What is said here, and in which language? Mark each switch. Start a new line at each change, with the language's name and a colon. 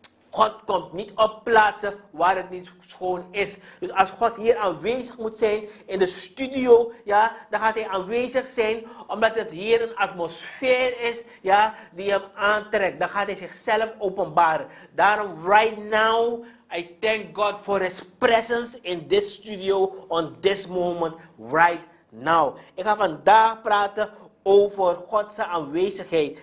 Dutch: God komt niet op plaatsen waar het niet schoon is. Dus als God hier aanwezig moet zijn in de studio, ja, dan gaat hij aanwezig zijn omdat het hier een atmosfeer is, ja, die hem aantrekt. Dan gaat hij zichzelf openbaren. Daarom
English: right now, I thank God for his presence in this studio on this moment right now.
Dutch: Ik ga vandaag praten over Gods aanwezigheid.